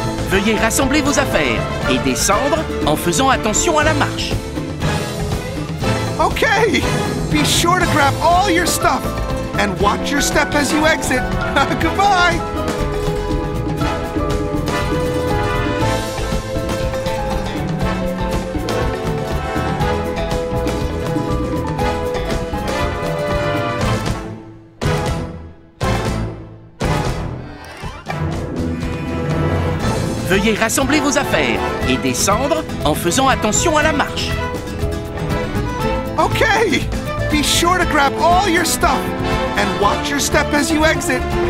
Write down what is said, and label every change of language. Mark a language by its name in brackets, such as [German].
[French] Veuillez rassembler vos affaires et descendre en faisant attention à la marche. [English] Okay. Be sure to grab all your stuff and watch your step as you exit. Goodbye. [French] Veuillez rassembler vos affaires et descendre en faisant attention à la marche. [English] Okay. Be sure to grab all your stuff and watch your step as you exit.